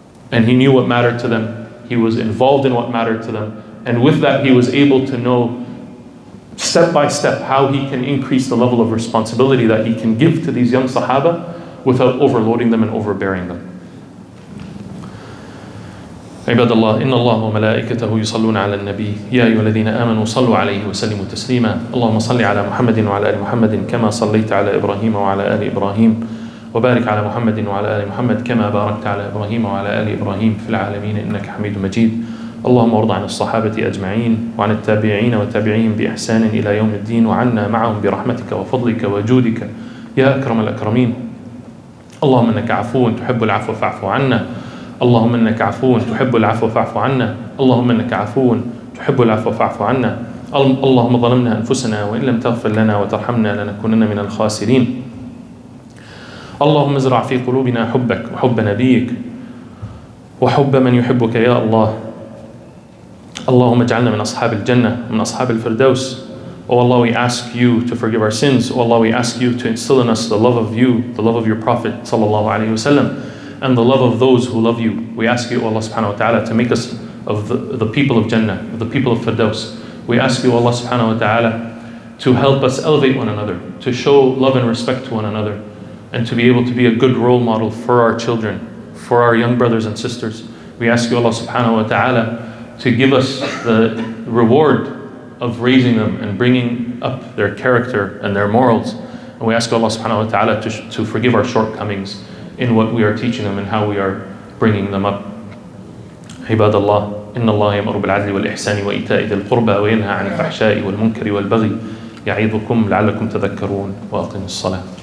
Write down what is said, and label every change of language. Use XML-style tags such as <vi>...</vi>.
<en>And he knew what mattered to them. He was involved in what mattered to them. And with that, he was able to know step by step how he can increase the level of responsibility that he can give to these young Sahaba without overloading them and overbearing them.</en> <ar>عباد الله إن الله وملائكته يصلون على النبي يا أيها الذين آمنوا صلوا عليه وسلموا تسليما اللهم صل على محمد وعلى آل محمد كما صليت على إبراهيم وعلى آل إبراهيم وبارك على محمد وعلى آل محمد كما باركت على إبراهيم وعلى آل إبراهيم في العالمين إنك حميد مجيد اللهم ارض عن الصحابة أجمعين وعن التابعين وتابعيهم بإحسان إلى يوم الدين وعنا معهم برحمتك وفضلك وجودك يا أكرم الأكرمين اللهم إنك عفو تحب العفو فاعف عنا اللهم إنك عفو تحب العفو فاعف عنا اللهم إنك عفو تحب العفو فاعف عنا اللهم ظلمنا أنفسنا وإن لم تغفر لنا وترحمنا لنكونن من الخاسرين اللهم ازرع في قلوبنا حبك وحب نبيك وحب من يحبك يا الله اللهم اجعلنا من أصحاب الجنة من أصحاب الفردوس</ar> <en>Oh Allah, we ask you to forgive our sins. Oh Allah, we ask you to instill in us the love of you, the love of your Prophet sallallahu alaihi wasallam, and the love of those who love you. We ask you, O Allah subhanahu wa ta'ala, to make us of the people of Jannah, of the people of Firdaus. We ask you, O Allah subhanahu wa ta'ala, to help us elevate one another, to show love and respect to one another, and to be able to be a good role model for our children, for our young brothers and sisters. We ask you, Allah subhanahu wa ta'ala, to give us the reward of raising them and bringing up their character and their morals. And we ask Allah subhanahu wa ta'ala to forgive our shortcomings in what we are teaching them and how we are bringing them up.</en> <ar>عباد الله إن الله يأمر بالعدل والإحسان وإيتاء ذي القربى وينهى عن الفحشاء والمنكر والبغي يعظكم لعلكم تذكرون وأقم الصلاة.</ar>